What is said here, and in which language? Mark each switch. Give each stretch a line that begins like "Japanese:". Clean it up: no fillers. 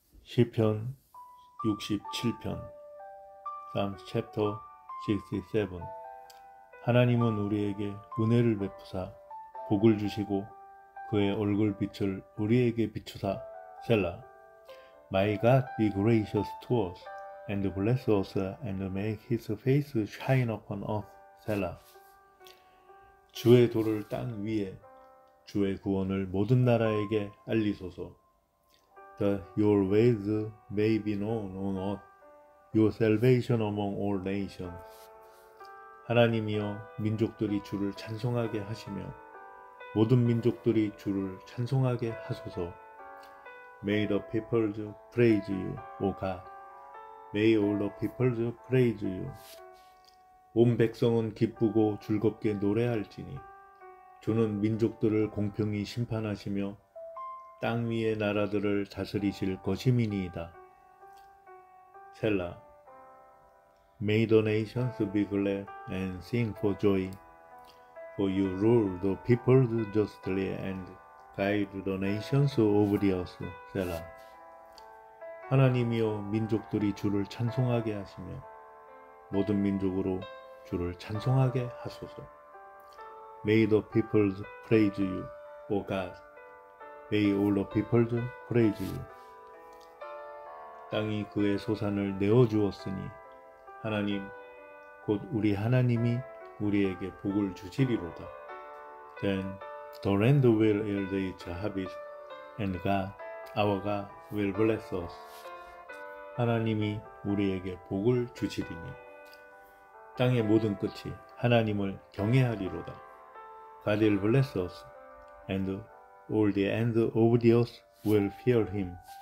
Korean: 시편 67편
English: Psalms chapter 67
Korean: 하나님은 우리에게 은혜를 베푸사 복을 주시고 그의 얼굴빛을 우리에게 비추사 셀라
English: My God be gracious to us and bless us and make his face shine upon us 셀라
Korean: 주의 도를 땅 위에 주의 구원을 모든 나라에게 알리소서
English: That your ways may be known on earth, your salvation among all nations.
Korean: 하나님이여, 민족들이 주를 찬송하게 하시며, 모든 민족들이 주를 찬송하게 하소서.
English: May the peoples praise you, O God. May all the peoples praise you.
Korean: 온 백성은 기쁘고 즐겁게 노래할지니, 주는 민족들을 공평히 심판하시며, 땅 위의 나라들을 다스리실 것임이니이다. 셀라.
English: May the nations be glad and sing for joy, for you rule the peoples justly and guide the nations of the earth.
Korean: 셀라. 하나님이여 민족들이 주를 찬송하게 하시며 모든 민족으로 주를 찬송하게 하소서.
English: May the peoples praise you, O God. May all the peoples praise you.
Korean: 땅이 그의 소산을 내어주었으니 하나님, 곧 우리 하나님이 우리에게 복을 주시리로다.
English: Then the land will yield its harvest, and God, our God, will bless us.
Korean: 하나님이 우리에게 복을 주시리니 땅의 모든 끝이 하나님을 경외하리로다.
English: God will bless us, and All the ends of the earth will fear him.